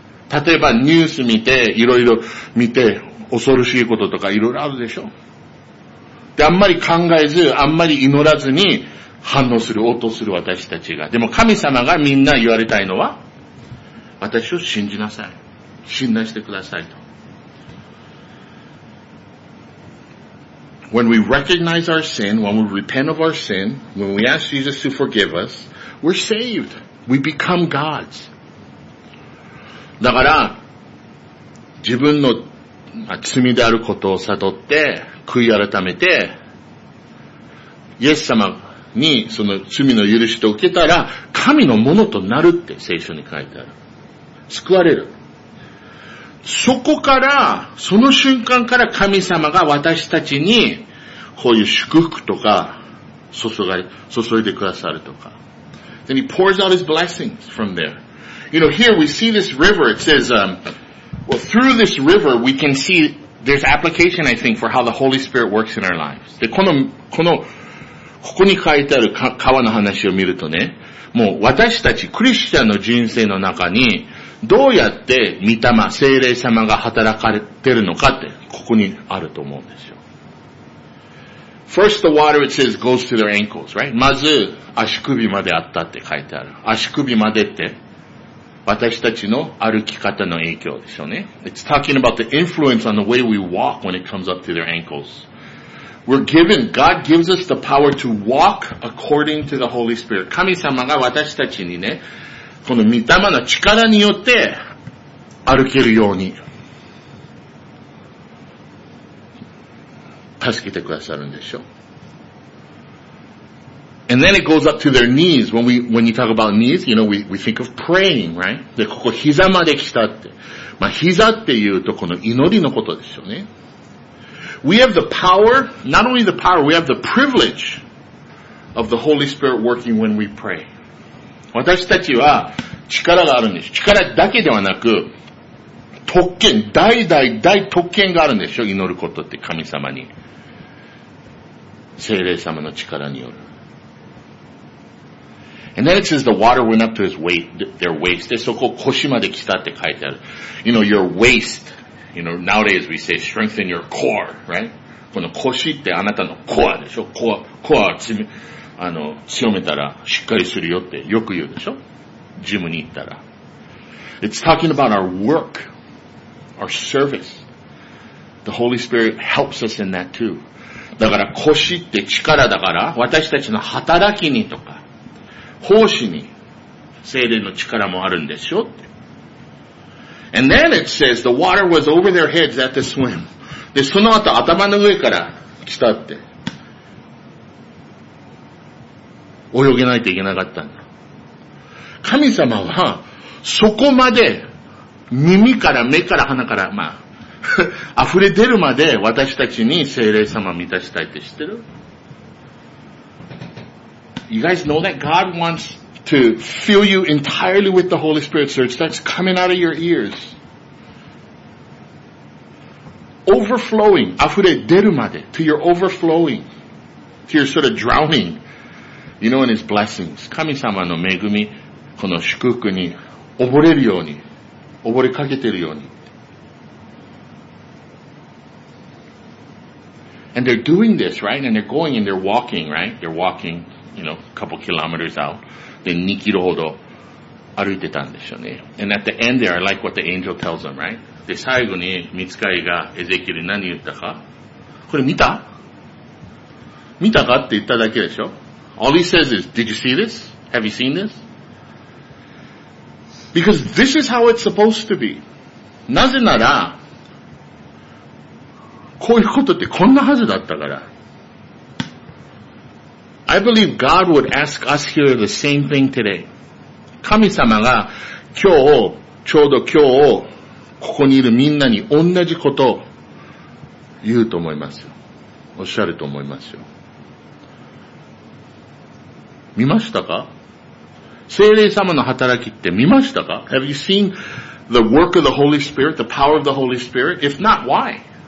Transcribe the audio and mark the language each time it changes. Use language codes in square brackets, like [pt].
[ja] 例えばニュース見て、いろいろ見て、恐ろしいこととかいろいろあるでしょ。で、あんまり考えず、あんまり祈らずに反応する、応答する私たちが。でも神様がみんな言われたいのは、私を信じなさい。信頼してくださいと。 [en] when we recognize our sin, when we repent of our sin, when we ask Jesus to forgive us, we're saved. We become gods. [ja] だから、自分の罪であることを悟って、悔い改めて、イエス様にその罪の許しと受けたら、神のものとなるって聖書に書いてある。救われる。そこから、その瞬間から神様が私たちに、こういう祝福とか、注いでくださるとか。 [en] And he pours out his blessings from there. You know, here we see this river. It says, through this river we can see there's application, I think, for how the Holy Spirit works in our lives. [ja] で、この、ここに書いてある川の話を見るとね、もう私たち、クリスチャンの人生の中に、どうやって御霊、聖霊様が働かれてるのかって、ここにあると思うんですよ。 [en] First, the water, it says, goes to their ankles, right? [ja] まず、足首まであったって書いてある。足首までって、私たちの歩き方の影響でしょうね。 [en] It's talking about the influence on the way we walk when it comes up to their ankles. We're given, God gives us the power to walk according to the Holy Spirit. [ja] 神様が私たちにね、この御霊の力によって歩けるように。助けてくださるんでしょ。 [en] And then it goes up to their knees. When you talk about knees, you know, we think of praying, right? [ja] で、ここ膝まで来たって。まあ、膝っていうとこの祈りのことでしょうね。 [en] We have the power, not only the power, we have the privilege of the Holy Spirit working when we pray. [ja] 私たちは力があるんです。力だけではなく、特権、大特権があるんでしょ、祈ることって神様に。聖霊様の力による。 [en] And then it says the water went up to his waist, their waist. [ja] で、そこ腰まで来たって書いてある。 [en] You know, your waist. You know, nowadays we say strengthen your core, right? [ja] この腰ってあなたのコアでしょ。コア強めたらしっかりするよってよく言うでしょ。ジムに行ったら。 [en] It's talking about our work. Our service. The Holy Spirit helps us in that too. [ja] だから腰って力だから私たちの働きにとか奉仕に聖霊の力もあるんですよって。 [en] And then it says the water was over their heads at the swim. [ja] で、その後頭の上から来たって。泳げないといけなかったんだ。神様はそこまで耳から目から鼻からまあ溢れ出るまで私たちに聖霊様を満たしたいって知ってる ？ [en] You guys know that God wants to fill you entirely with the Holy Spirit, so it starts coming out of your ears, overflowing, [ja] 溢れ出るまで [en] to your overflowing, to your sort of drowning, you know, in His blessings. [ja] 神様の恵み、この祝福に溺れるように。溺れかけてるように。 [en] And they're doing this, right? And they're going and they're walking, right? They're walking, you know, a couple kilometers out. [ja] で、2キロほど歩いてたんでしょうね。 [en] And at the end there, I like what the angel tells them, right? [ja] で、最後に、御使いがエゼキエルに何言ったか。これ見た？見たかって言っただけでしょ。 [en] All he says is, did you see this? Have you seen this? Because this is how it's supposed to be. [ja] なぜなら、こういうことってこんなはずだったから。 [en] I believe God would ask us here the same thing today. [ja] 神様が今日、ちょうど今日、ここにいるみんなに同じことを言うと思いますよ。おっしゃると思いますよ。見ましたか？聖霊様の働きって見ましたか [en] ?Have you seen the work of the Holy Spirit, the power of the Holy Spirit?If not, why?